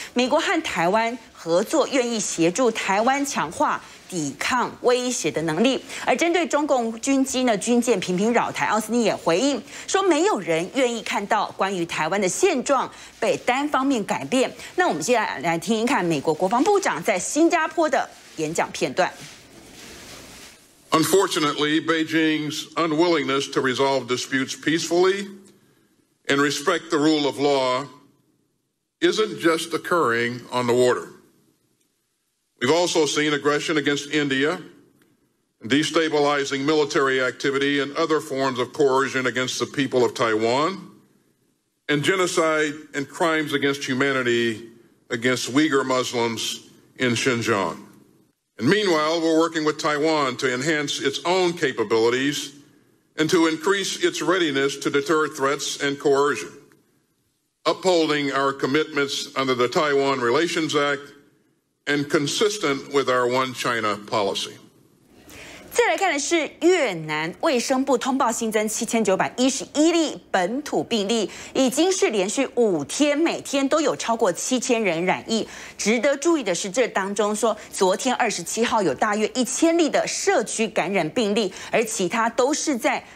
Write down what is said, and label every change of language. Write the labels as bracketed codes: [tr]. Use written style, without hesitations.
[zh] 美国和台湾合作愿意协助台湾强化抵抗威胁的能力。而针对中共军机呢，军舰频频扰台，奥斯汀也回应说，没有人愿意看到关于台湾的现状被单方面改变。那我们现在来听一看美国国防部长在新加坡的演讲片段。 [en] Unfortunately, Beijing's unwillingness to resolve disputes peacefully and respect the rule of law isn't just occurring on the water. We've also seen aggression against India, destabilizing military activity and other forms of coercion against the people of Taiwan, and genocide and crimes against humanity against Uyghur Muslims in Xinjiang. And meanwhile, we're working with Taiwan to enhance its own capabilities and to increase its readiness to deter threats and coercion, upholding our commitments under the Taiwan Relations Act,and consistent with our One China policy. [zh] 再来看的是越南卫生部通报新增7911例本土病例，已经是连续5天每天都有超过7000人染疫。值得注意的是，这当中说昨天27号有大约1000例的社区感染病例，而其他都是在